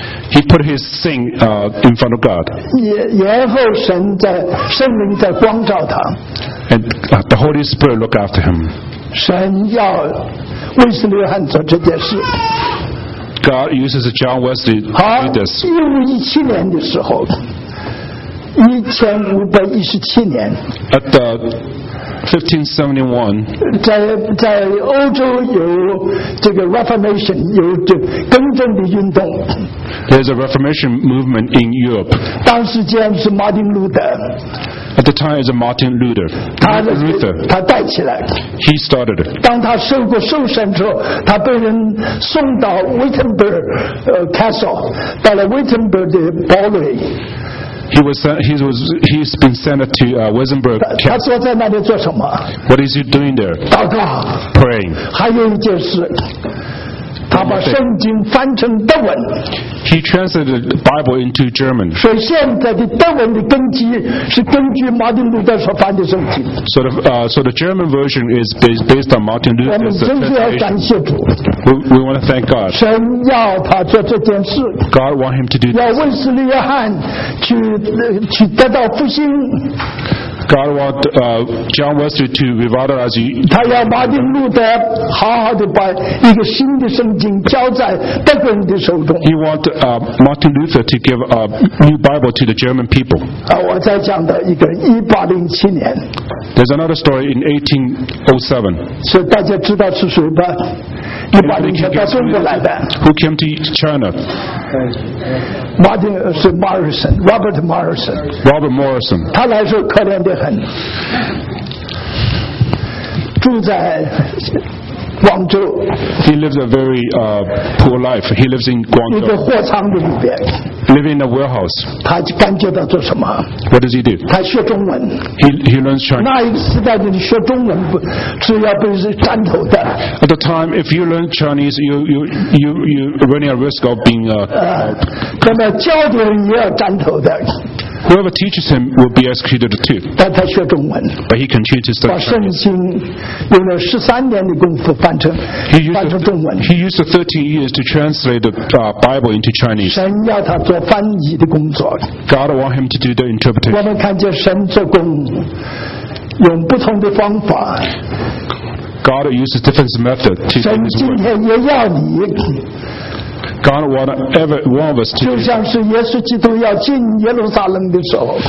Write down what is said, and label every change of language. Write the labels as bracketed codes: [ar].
[en] He put his sin in front of God. [zh] 然后神在圣灵在光照他。 [en] And the Holy Spirit looked after him. [zh] 神要威斯利约翰做这件事。 [en] God uses John Wesley to do this. [zh] 好，1517年的时候，1517年。 [en] At the 1571, [zh] 在欧洲有这个 Reformation, 有这更正的运动。 [en] There's a Reformation movement in Europe. [zh] 当时间是 Martin Luther. [en] At the time, it's Martin Luther. [zh] 他带起来。 [en] He started it. [zh] 当他受过受审之后，他被人送到 Wittenberg Castle, 到了 Wittenberg 的堡垒。 [en] He's been sent to Wittenberg. [zh] 他坐在那里做什么？ [en] What is he doing there? [zh] 祷告。 [en] Praying. [zh] 还有一件事，他把圣经翻成德文。 [en] He translated the Bible into German. [zh] 所以现在的德文的根基是根据马丁路德所翻的圣经。 [en] So the German version is based on Martin Luther's translation. [zh] 我们真是要感谢主。 [en] We want to thank God. [zh] 神要他做这件事。 [en] God want him to do this. [zh] 要威斯利约翰去得到复兴。 [en] God want John Wesley to revitalize. [zh] 他要马丁路德好好的把一个新的圣经交在德国人的手中。 [en] He want Martin Luther to give a new Bible to the German people. [zh] 我在讲的一个1807年。 [en] There's another story in 1807. [zh] 所以大家知道是谁吧？1807年到中国来的。 [en] Who came to China? [zh] Martin 是 Morrison, Robert Morrison. [en] Robert Morrison. [zh] 他来说可怜的很，住在。 [en] He lives a very poor life. He lives in Guangzhou. [zh] 一个货仓里边。 [en] Living in a warehouse. [zh] 他感觉到做什么？ [en] What does he do? [zh] 他学中文。 [en] He learns Chinese. [zh] 那一个时代的你学中文不是要被人斩头的。 [en] At the time, if you learn Chinese, you running a risk of being [zh] 那么教的人也要斩头的。 [en] Whoever teaches him will be executed too. [zh] 但他学中文。 [en] But he continued to study. [zh] 把圣经用了13年的功夫翻成中文。 [en] He used 13 years to translate the Bible into Chinese. [zh] 神要他做翻译的工作。 [en] God want him to do the interpretation. [zh] 我们看见神做工，用不同的方法。 [en] God uses different methods to. [zh] 神今天也要你。 [en] God want of us to. [zh] 就像是耶稣基督要进耶路撒冷的时候。